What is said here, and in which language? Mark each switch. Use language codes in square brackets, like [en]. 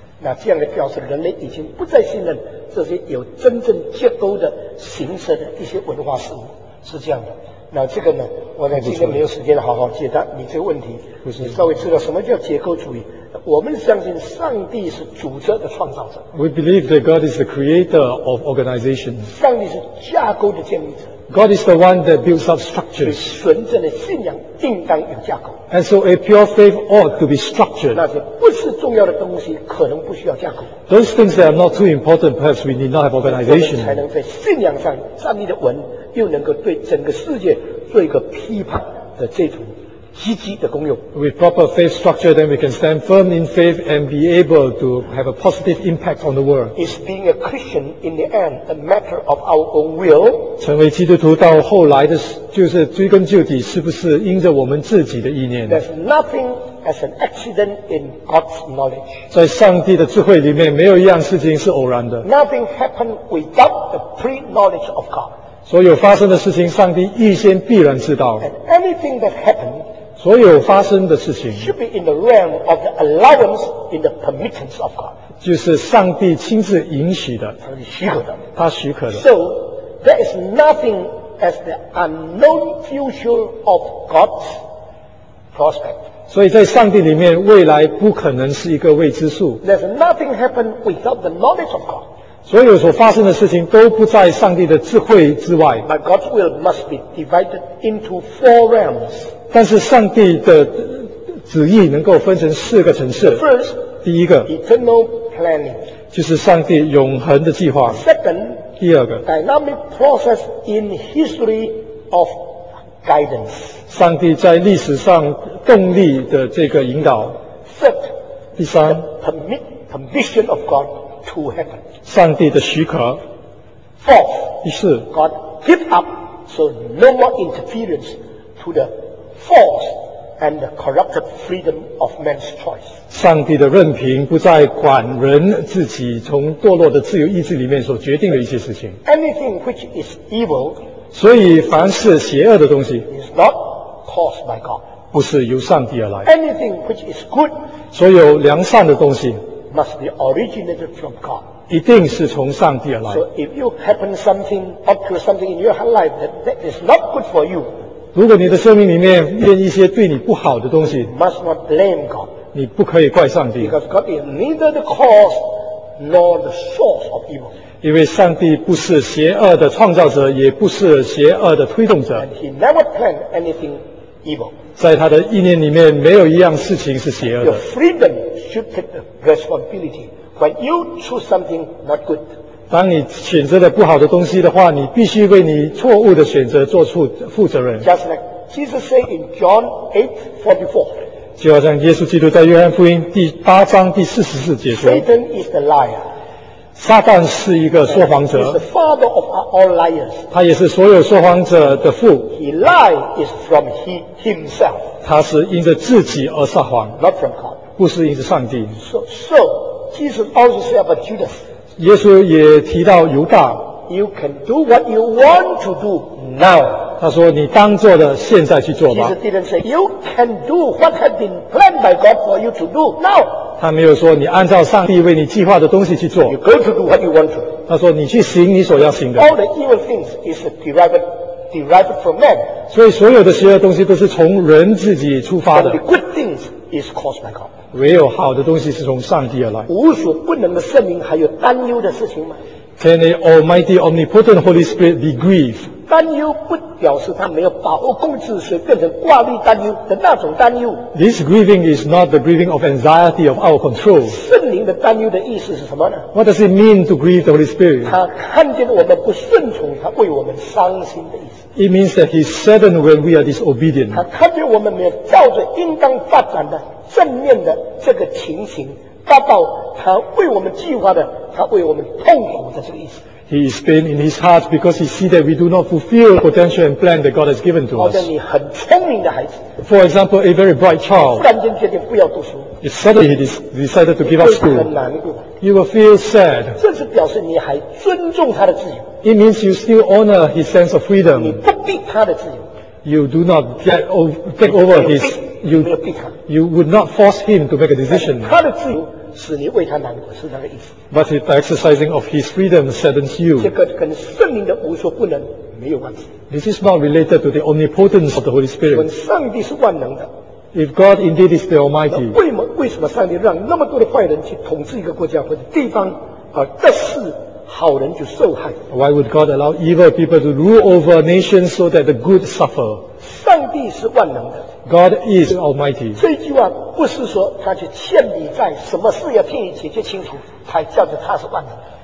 [zh] 那这样的表示人类已经不再信任这些有真正结构的形式的一些文化事物，是这样的。那这个呢，我呢今天没有时间好好解答你这个问题，你稍微知道什么叫结构主义。我们相信上帝是组织的创造者。 [en] We believe that God is the creator of organization. [zh] 上帝是架构的建立者。 [en] God is the one that builds up structures. [zh] 纯正的信仰应当有架构。 [en] And so a pure faith ought to be structured. [zh] 那些不是重要的东西可能不需要架构。 [en] Those things that are not too important, perhaps we need not have organization. [zh] 我们才能在信仰上站立的稳，又能够对整个世界做一个批判的这种积极的功用。 [en] With proper faith structure, then we can stand firm in faith and be able to have a positive impact on the world. Is being a Christian in the end a matter of our own will? [zh] 成为基督徒到后来的就是追根究底，是不是因着我们自己的意念？ [en] There's nothing as an accident in God's knowledge. [zh] 在上帝的智慧里面，没有一样事情是偶然的。 [en] Nothing happened without the pre-knowledge of God. [zh] 所有发生的事情，上帝预先必然知道。 [en] And anything that happened, [zh] 所有发生的事情 [en] should be in the realm of the allowance in the permittance of God. [zh] 就是上帝亲自允许的，他是许可的，他许可的。 [en] So there is nothing as the unknown future of God's prospect. [zh] 所以在上帝里面，未来不可能是一个未知数。 [en] There's nothing happen without the knowledge of God. [zh] 所有所发生的事情都不在上帝的智慧之外。 [en] But God's will must be divided into four realms. [zh] 但是上帝的旨意能够分成四个层次。 [en] First, [zh] 第一个 [en] eternal planning, [zh] 就是上帝永恒的计划。 [en] Second, [zh] 第二个 [en] dynamic process in history of guidance, [zh] 上帝在历史上动力的这个引导。 [en] Third, [zh] 第三 [en] the permission of God to happen, [zh] 上帝的许可。 [en] Fourth, [zh] 第四 [en] God give up so no more interference to theforce and the corrupted freedom of man's choice. [zh] 上帝的任凭不再管人自己从堕落的自由意志里面所决定的一些事情。 [en] Anything which is evil, [zh] 所以凡是邪恶的东西 [en] is not caused by God. [zh] 不是由上帝而来。 [en] Anything which is good, [zh] 所有良善的东西 [en] must be originated from God. [zh] 一定是从上帝而来。 [en] So if you happen something, occur something in your life that is not good for you, [zh] 如果你的生命里面变一些对你不好的东西 [en] must not blame God, [zh] 你不可以怪上帝。 [en] Because God is neither the cause nor the source of evil. [zh] 因为上帝不是邪恶的创造者，也不是邪恶的推动者。 [en] And he never planned anything evil. [zh] 在他的意念里面没有一样事情是邪恶的。 [en] Your freedom should take the responsibility when you choose something not good. [zh] 当你选择了不好的东西的话，你必须为你错误的选择做出负责任。 [en] Just like Jesus said in John 8:44, [zh] 就好像耶稣基督在约翰福音第八章第44节说 [en] ，Satan is the liar. [zh] 撒旦是一个说谎者。 [en] He's the father of all liars. [zh] 他也是所有说谎者的父。 [en] He lied is from himself. [zh] 他是因着自己而撒谎。 [en] Not from God. [zh] 不是因着上帝。 [en] So Jesus also said about Judas. [zh] 耶稣也提到犹大。 [en] You can do what you want to do now. [zh] 他说你当做的现在去做吧。 [en] Jesus didn't say you can do what had been planned by God for you to do now. [zh] 他没有说你按照上帝为你计划的东西去做。 [en] You go to do what you want to. [zh] 他说你去行你所要行的。 [en] All the evil things is derived from man. [zh] 所以所有的邪恶东西都是从人自己出发的。 [en] But the good things is caused by God. [zh] 唯有好的东西是从上帝而来。无所不能的圣灵还有担忧的事情吗？ [en] Can the Almighty Omnipotent Holy Spirit be grieved? [zh] 担忧不表示他没有把握控制，所以变成挂虑担忧的那种担忧。 [en] This grieving is not the grieving of anxiety of our control. [zh] 圣灵的担忧的意思是什么呢？ [en] What does it mean to grieve the Holy Spirit? [zh] 他看见我们不顺从，他为我们伤心的意思。 [en] It means that he is saddened when we are disobedient. [zh] 他看见我们没有照着应当发展的正面的这个情形，达到他为我们计划的，他为我们痛苦的这个意思。 [en] He is pain in his heart because he sees that we do not fulfill the potential and plan that God has given to us. [zh] 好像你很聪明的孩子。 [en] For example, a very bright child. [zh] 突然间决定不要读书。 [en] Suddenly he decided to give up school. [zh] 你会很难过。 [en] You will feel sad. [zh] 这是表示你还尊重他的自由。 [en] It means you still honor his sense of freedom. [zh] 你不逼他的自由。 [en] You do not take over his. You would not force him to make a decision. [zh] 他的自由。使你为他难过是那个意思。 [en] But the exercising of his freedom saddens you. [zh] 这个跟圣灵的无所不能没有关系。 [en] This is not related to the omnipotence of the Holy Spirit. [zh] 问上帝是万能的。 [en] If God indeed is the Almighty. [zh] 为什么上帝让那么多的坏人去统治一个国家或者地方，而但是好人就受害 [en] ？Why would God allow evil people to rule over nations so that the good suffer? [zh] 上帝是万能的。 [en] God is Almighty. [zh] 这句话不是说他去欠你债，什么事要替你解决清楚，才叫做他是万能。